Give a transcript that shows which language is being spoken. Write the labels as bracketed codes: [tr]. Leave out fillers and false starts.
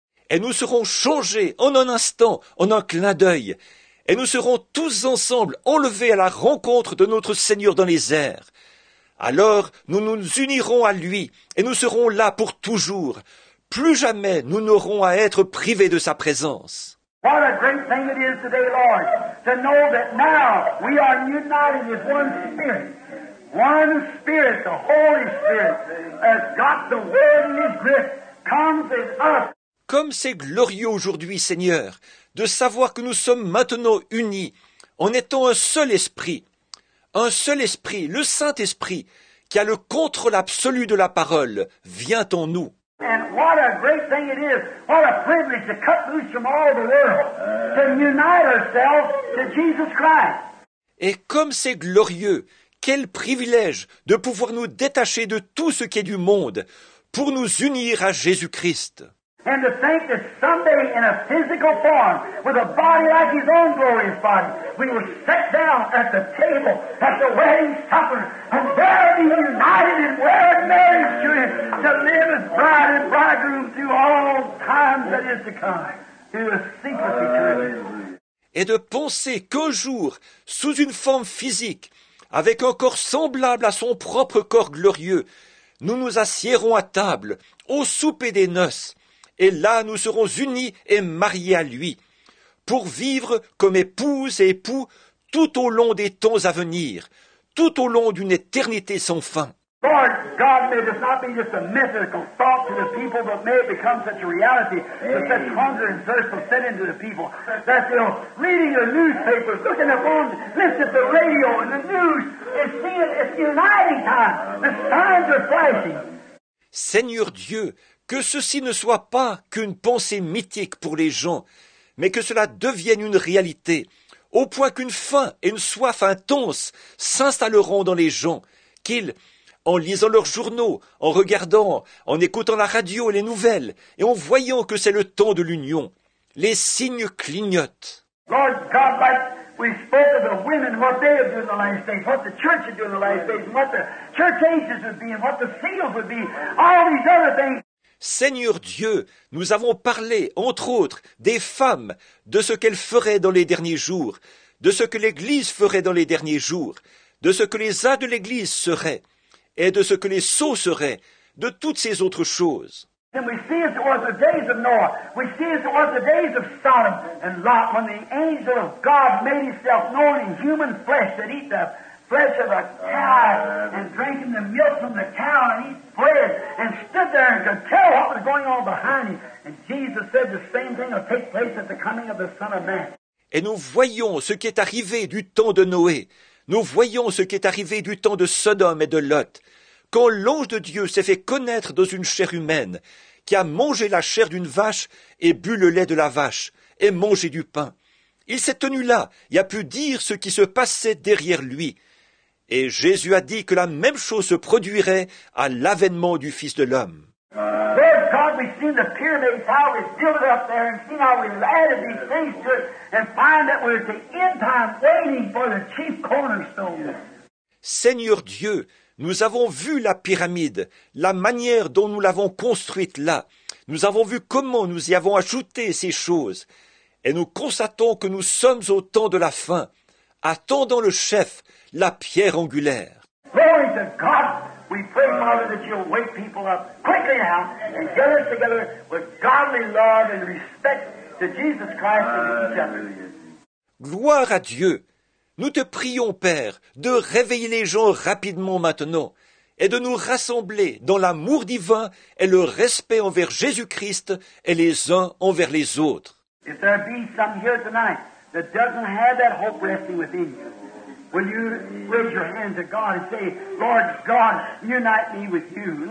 [fr] Et nous serons changés en un instant, en un clin d'œil. Et nous serons tous ensemble enlevés à la rencontre de notre Seigneur dans les airs. Alors, nous nous unirons à lui et nous serons là pour toujours. Plus jamais nous n'aurons à être privés de sa présence. [en] What a great thing it is today, Lord, to know that now we are united as one spirit. One spirit, the Holy Spirit, has got the world in his grip, comes in us. [fr] Comme c'est glorieux aujourd'hui, Seigneur, de savoir que nous sommes maintenant unis en étant un seul esprit, le Saint-Esprit, qui a le contrôle absolu de la parole, vient en nous. [en] And what a great thing it is, what a privilege to cut loose from all the world, to unite ourselves to Jesus Christ. [fr] Et comme c'est glorieux, quel privilège de pouvoir nous détacher de tout ce qui est du monde pour nous unir à Jésus-Christ. [en] And to think that someday in a physical form, with a body like his own glorious body, we will sit down at the table, at the wedding supper, and there be united in wedded marriage to him, to live as bride and bridegroom through all times that is to come, through a secret eternity. [fr] Et de penser qu'un jour, sous une forme physique, avec un corps semblable à son propre corps glorieux, nous nous assiérons à table, au souper des noces, et là, nous serons unis et mariés à lui, pour vivre comme épouse et époux tout au long des temps à venir, tout au long d'une éternité sans fin. [en] Lord God, may this not be just a mythical thought to the people, but may it become such a reality that such hunger and thirst will set into the people. That, you know, reading the newspapers, looking at phones, listening to the radio and the news, and seeing it's uniting time. The signs are flashing. [fr] Seigneur Dieu, que ceci ne soit pas qu'une pensée mythique pour les gens, mais que cela devienne une réalité, au point qu'une faim et une soif intense s'installeront dans les gens, qu'ils, en lisant leurs journaux, en regardant, en écoutant la radio et les nouvelles, et en voyant que c'est le temps de l'union, les signes clignotent. [en] Lord God, but we spoke of the women, what they have done in the last days, what the church has done in the last days, what the church ages would be, and what the seals would be, all these other things. [fr] Seigneur Dieu, nous avons parlé, entre autres, des femmes, de ce qu'elles feraient dans les derniers jours, de ce que l'Église ferait dans les derniers jours, de ce que les âmes de l'Église seraient, et de ce que les sceaux seraient, de toutes ces autres choses. [en] And we see as it was the days of Noah, we see as it was the days of Sodom and Lot, when the angel of God made himself known in human flesh that eat the flesh of a cow and drinking the milk from the cow and eat bread and stood there and could tell what was going on behind him. And Jesus said the same thing will take place at the coming of the Son of Man. [fr] Et nous voyons ce qui est arrivé du temps de Noé. Nous voyons ce qui est arrivé du temps de Sodome et de Lot. Quand l'ange de Dieu s'est fait connaître dans une chair humaine, qui a mangé la chair d'une vache et bu le lait de la vache et mangé du pain. Il s'est tenu là et a pu dire ce qui se passait derrière lui. Et Jésus a dit que la même chose se produirait à l'avènement du Fils de l'homme. [en] Lord God, we've seen the pyramids, how we build it up there, and seen how we've added these things to it, and find that we're at the end time waiting for the chief cornerstone. [fr] Seigneur Dieu, nous avons vu la pyramide, la manière dont nous l'avons construite là. Nous avons vu comment nous y avons ajouté ces choses. Et nous constatons que nous sommes au temps de la fin, attendant le chef, la pierre angulaire. [en] Glory to God! We pray, Father, that you'll wake people up quickly now and get us together with godly love and respect to Jesus Christ and each other. [fr] Gloire à Dieu! Nous te prions, Père, de réveiller les gens rapidement maintenant et de nous rassembler dans l'amour divin et le respect envers Jésus-Christ et les uns envers les autres. [en] If there be some here tonight that doesn't have that hope resting within you, will you raise your hand to God and say, Lord God, unite me with you.